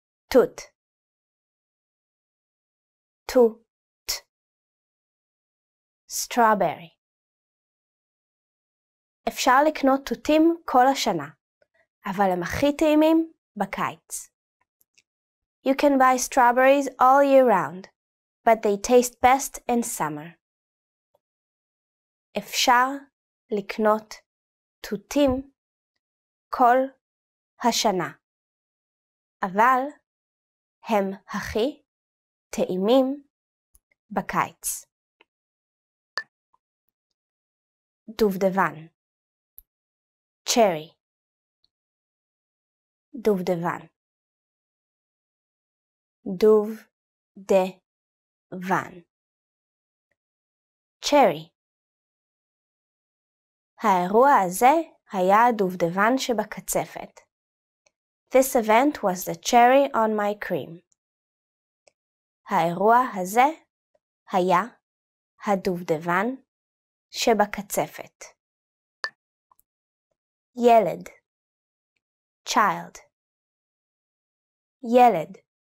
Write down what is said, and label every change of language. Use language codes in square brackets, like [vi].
[he] Tut. Tut. [en] Strawberry. [he] אפשר לקנות תותים כל השנה, אבל הם הכי טעימים בקיץ. [en] You can buy strawberries all year round, but they taste best in summer. [he] אפשר לקנות תותים כל השנה, אבל הם הכי טעימים בקיץ. דובדבן. [en] Cherry. [he] Duvdevan. Duvdevan. [en] Cherry. [he] האירוע הזה היה דובדבן שבקצפת. [en] This event was the cherry on my cream. [he] האירוע הזה היה הדובדבן שבקצפת. ילד. [en] Child. [he] ילד.